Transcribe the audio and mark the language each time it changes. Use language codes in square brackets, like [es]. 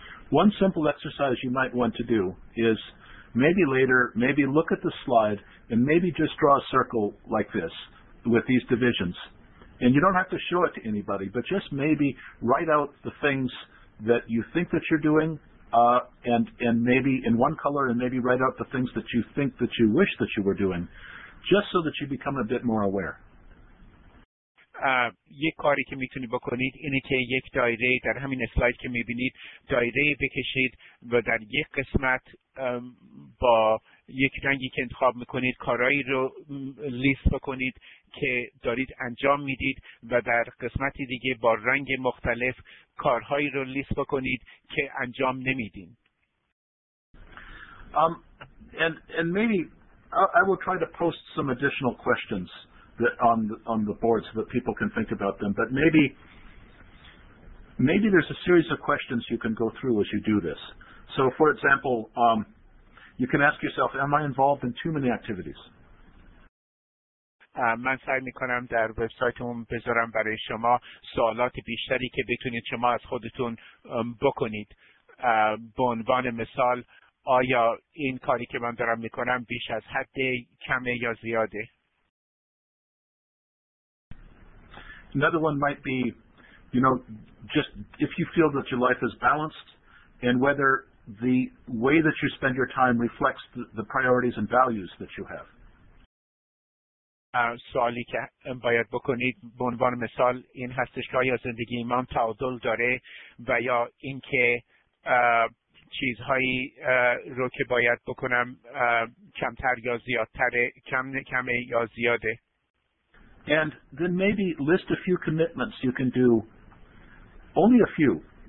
[en] One simple exercise you might want to do is maybe later, maybe look at the slide and maybe just draw a circle like this with these divisions. And you don't have to show it to anybody, but just maybe write out the things that you think that you're doing and maybe in one color, and maybe write out the things that you think that you wish that you were doing, just so that you become a bit more aware. [fa] یک کاری که میتونی بکنید اینه که یک دایره در همین اسلاید که میبینید دایره بکشید و در یک قسمت با یک رنگی که انتخاب میکنید کارهایی رو لیست بکنید که دارید انجام میدید و در قسمتی دیگه با رنگ مختلف کارهایی رو لیست بکنید که انجام نمیدین. [en] And maybe I will try to post some additional questions on the board so that people can think about them. But maybe there's a series of questions you can go through as you do this. So, for example, you can ask yourself, am I involved in too many activities? [fa] من سعی میکنم در وبسایتمون بذارم برای شما سوالات بیشتری که بتونید شما از خودتون بکنید. به عنوان مثال، آیا این کاری که من دارم میکنم بیش از حد، کمه یا زیاده؟ [en] Another one might be, you know, just if you feel that your life is balanced and whether the way that you spend your time reflects the priorities and values that you have. [fa] سوالی که باید بکنید به عنوان مثال این هستش که آیا زندگی من تعادل داره و یا اینکه چیزهایی رو که باید بکنم کمتر یا زیادتره، کمه یا زیاده. [en] And then maybe list a few commitments you can do, only a few.